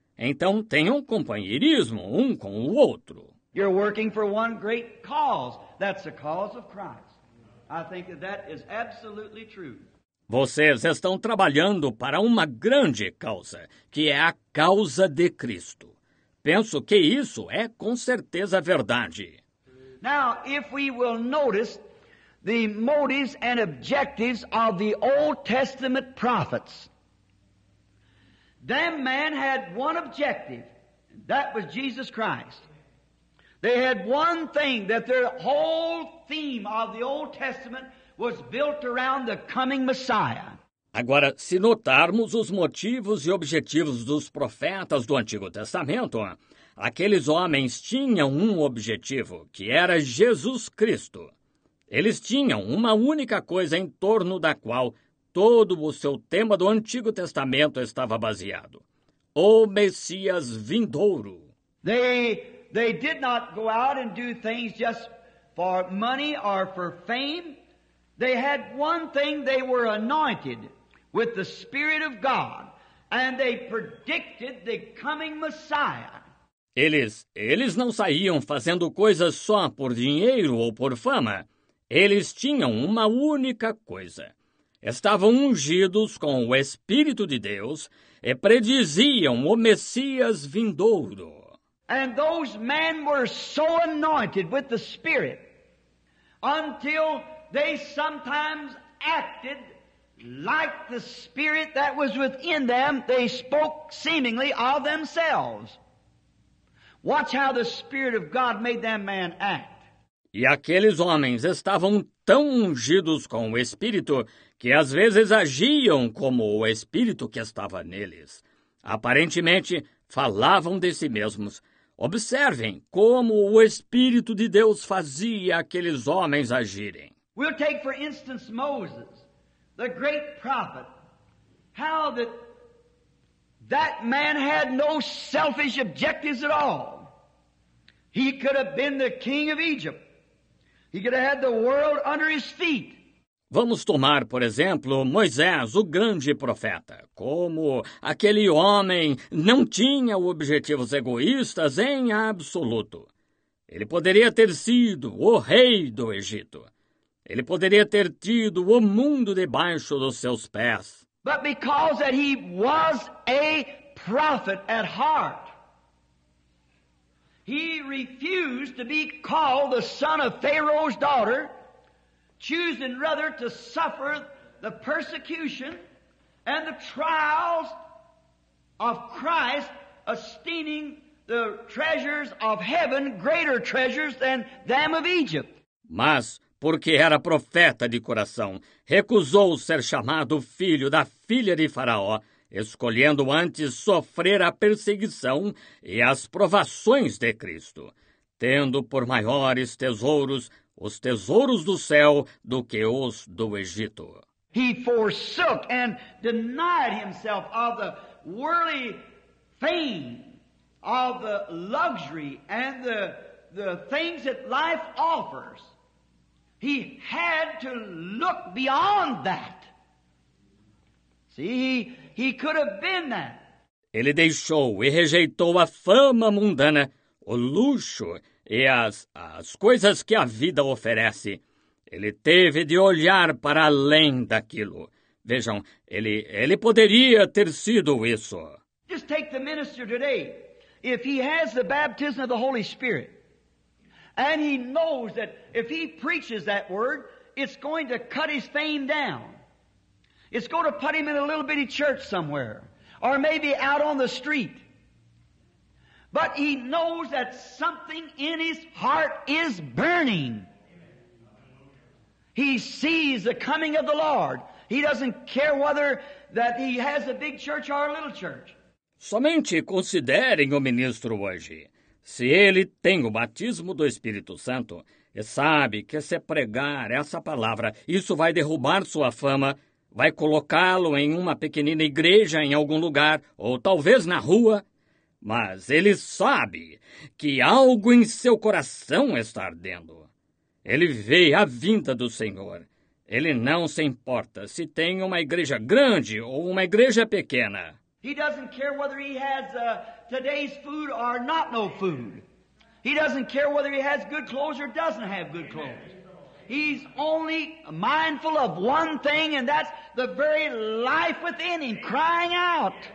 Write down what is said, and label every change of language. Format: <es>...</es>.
<pt>Então tenha um companheirismo um com o outro.</pt> <en>You're working for one great cause. That's the cause of Christ. I think that is absolutely true.</en> <pt>Vocês estão trabalhando para uma grande causa, que é a causa de Cristo. Penso que isso é com certeza verdade.</pt> <en>Now, if we will notice the motives and objectives of the Old Testament prophets, that man had one objective, that was Jesus Christ. They had one thing that their whole theme of the Old Testament was built around the coming Messiah.</en> <pt>Agora, se notarmos os motivos e objetivos dos profetas do Antigo Testamento, aqueles homens tinham um objetivo, que era Jesus Cristo. Eles tinham uma única coisa em torno da qual todo o seu tema do Antigo Testamento estava baseado: o Messias vindouro.</pt> <en>They did not go out and do things just for money or for fame. They had one thing, they were anointed with the Spirit of God, and they predicted the coming Messiah.</en> <pt>Eles não saíam fazendo coisas só por dinheiro ou por fama. Eles tinham uma única coisa. Estavam ungidos com o Espírito de Deus e prediziam o Messias vindouro.</pt> <en>And those men were so anointed with the Spirit until they sometimes acted like the spirit that was within them. They spoke seemingly of themselves. Watch how the Spirit of God made that man act.</en> <pt>E aqueles homens estavam tão ungidos com o Espírito que às vezes agiam como o Espírito que estava neles. Aparentemente, falavam de si mesmos. Observem como o Espírito de Deus fazia aqueles homens agirem.</pt> <en>We'll take, for instance, Moses, the great prophet. How that man had no selfish objectives at all. He could have been the king of Egypt. He could have had the world under his feet.</en> <pt>Vamos tomar, por exemplo, Moisés, o grande profeta. Como aquele homem não tinha objetivos egoístas em absoluto. Ele poderia ter sido o rei do Egito. Ele poderia ter tido o mundo debaixo dos seus pés.</pt> <en>But because that he was a prophet at heart, he refused to be called the son of Pharaoh's daughter, choosing rather to suffer the persecution and the trials of Christ, esteeming the treasures of heaven greater treasures than them of Egypt.</en> <pt>Mas porque era profeta de coração, recusou ser chamado filho da filha de Faraó, escolhendo antes sofrer a perseguição e as provações de Cristo. tendo por maiores tesouros os tesouros do céu do que os do Egito.</pt> <en>He forsook and denied himself of the worldly fame, of the luxury and the things that life offers. He had to look beyond that. See, he could have been that.</en> <pt>Ele deixou e rejeitou a fama mundana, o luxo e as coisas que a vida oferece. Ele teve de olhar para além daquilo. Vejam, ele poderia ter sido isso.</pt> <en>Just take the minister today. If he has the baptism of the Holy Spirit, and he knows that if he preaches that word, it's going to cut his fame down. It's going to put him in a little bitty church somewhere, or maybe out on the street. But he knows that something in his heart is burning. He sees the coming of the Lord. He doesn't care whether that he has a big church or a little church.</en> <pt>Somente considerem o ministro hoje. Se ele tem o batismo do Espírito Santo e sabe que se pregar essa palavra, isso vai derrubar sua fama, vai colocá-lo em uma pequenina igreja em algum lugar, ou talvez na rua. Mas ele sabe que algo em seu coração está ardendo. Ele vê a vinda do Senhor. Ele não se importa se tem uma igreja grande ou uma igreja pequena.</pt> <en>He doesn't care whether he has today's food or not no food. He doesn't care whether he has good clothes or doesn't have good clothes. He's only mindful of one thing, and that's the very life within him crying out.</en>